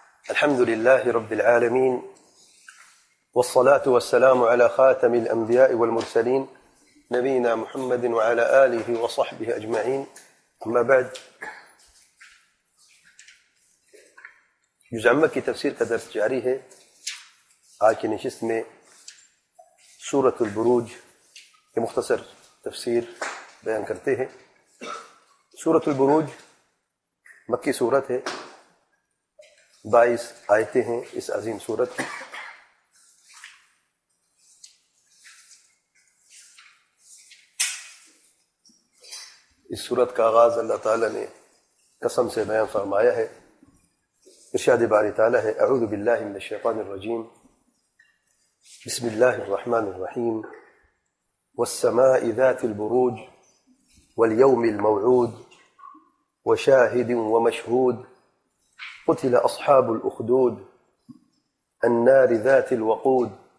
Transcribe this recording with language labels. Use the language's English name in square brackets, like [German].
[Arabic] الحمد لله رب العالمين، والصلاة والسلام على خاتم الأنبياء والمرسلين نبينا محمد وعلى آله وصحبه أجمعين. أما بعد، [Urdu] جزء عمك تفسير قدرت جاريه آكي نشست میں سورة البروج کے مختصر تفسير بيان کرتے ہیں. سورة البروج مکی سورت ہے، 22 آیتیں ہیں اس عظیم سورت کی. اس سورت کا آغاز اللہ تعالی نے قسم سے بیان فرمایا ہے، ارشاد باری تعالی ہے: [Arabic] اعوذ باللہ من الشیطان الرجیم، بسم اللہ الرحمن الرحیم، والسماء ذات البروج، والیوم الموعود، وشاهد ومشهود، قتل أصحاب الأخدود، النار ذات الوقود،